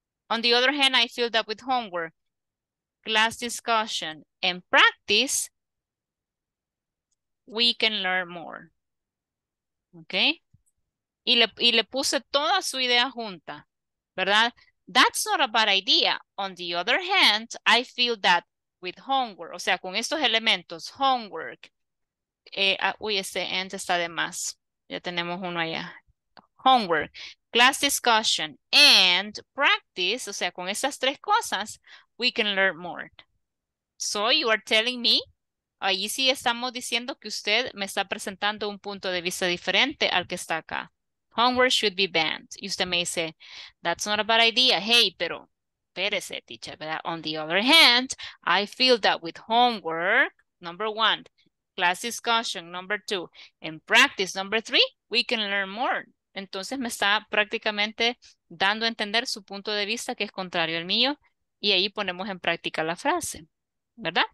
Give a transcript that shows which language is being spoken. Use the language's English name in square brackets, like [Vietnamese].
[English] On the other hand, I feel that with homework, class discussion, and practice, we can learn more. Okay? [Spanish] Y le puse toda su idea junta, ¿verdad? [English] That's not a bad idea. On the other hand, I feel that with homework, [Spanish] o sea, con estos elementos, [English] homework, este and [Spanish] está de más. Ya tenemos uno allá. [English] Homework, class discussion, and practice. [Spanish] O sea, con estas tres cosas, [English] we can learn more. So you are telling me, [Spanish] ahí sí estamos diciendo que usted me está presentando un punto de vista diferente al que está acá. [English] Homework should be banned. [Spanish] Y usted me dice, [English] that's not a bad idea. [Spanish] Hey, pero, espérese, teacher. [English] But on the other hand, I feel that with homework, number one, class discussion, number two, and practice, number three, we can learn more. [Spanish] Entonces me está prácticamente dando a entender su punto de vista que es contrario al mío, y ahí ponemos en práctica la frase, ¿verdad?